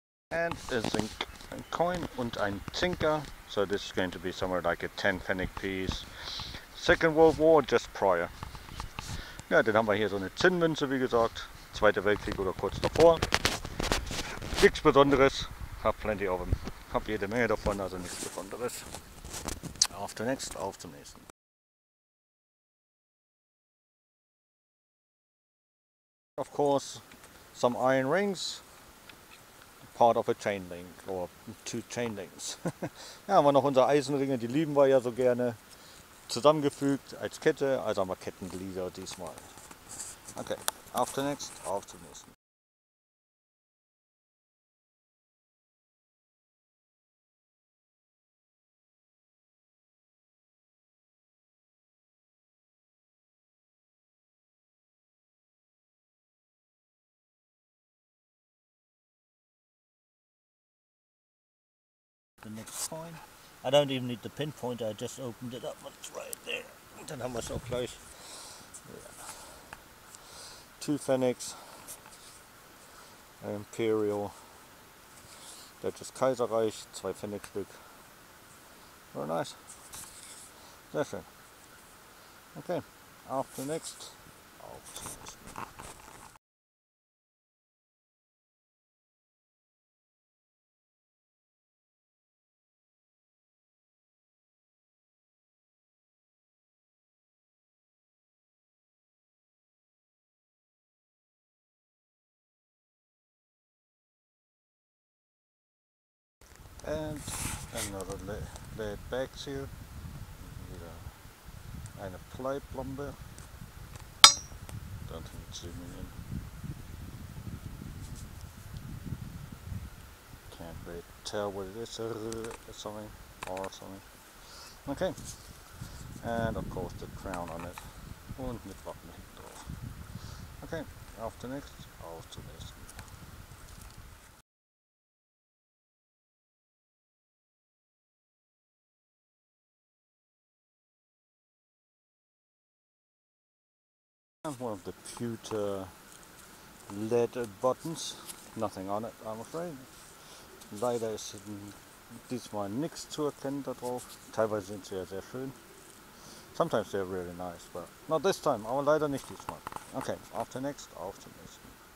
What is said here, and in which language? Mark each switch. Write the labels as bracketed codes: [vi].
[en] And a zinc coin and a zinker. So this is going to be somewhere like a 10 pfennig piece. Second World War, just prior. [de] Ja, dann haben wir hier so eine Zinnmünze, wie gesagt. Zweiter Weltkrieg oder kurz davor. Nichts Besonderes. Hab [en] plenty of them. [de] Hab jede Menge davon, also nichts Besonderes. Auf zum nächsten. Auf zum nächsten. [en] Of course, some iron rings. Part of a chain link or 2 chain links. [de] Ja, haben wir noch unsere Eisenringe, die lieben wir ja so gerne. Zusammengefügt als Kette, also haben wir Kettenglieder diesmal. Okay, auf zum nächsten, auf zum nächsten. [en] The next coin. I don't even need the pinpoint, I just opened it up, it's right there. [de] Dann haben wir es auch gleich. [en] Yeah. 2 pfennigs. Imperial. [de] Deutsches Kaiserreich, 2 pfennigstück. [en] Very nice. [de] Sehr schön. Okay, auf zum nächsten. Auf zum nächsten. [en] And another laid back seal. [de] Wieder eine Pleiplombe. [en] Don't think it's zooming in. Can't really tell what it is. Something. Or something. Okay. And of course the crown on it. [de] Und mit Wappen hinten drauf. Okay. Auf zum nächsten. Auf zum nächsten. [en] One of the pewter lead buttons, nothing on it, I'm afraid. [de] Leider ist diesmal nichts zu erkennen da drauf. Teilweise sind sie ja sehr schön. [en] Sometimes they're really nice, but not this time, [de] aber leider nicht diesmal. Okay, auf zum nächsten, auf zum nächsten.